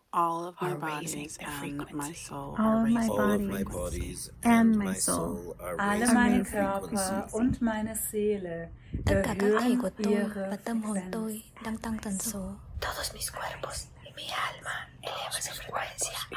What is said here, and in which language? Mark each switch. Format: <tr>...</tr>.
<en>All of my bodies and my soul are raising their frequencies. And my soul are raising their frequencies.</en> <de>Alle meine Körper und meine Seele erhöhen ihre Frequenz.</de> <es>Todos mis cuerpos y mi alma elevan su frecuencia.</es>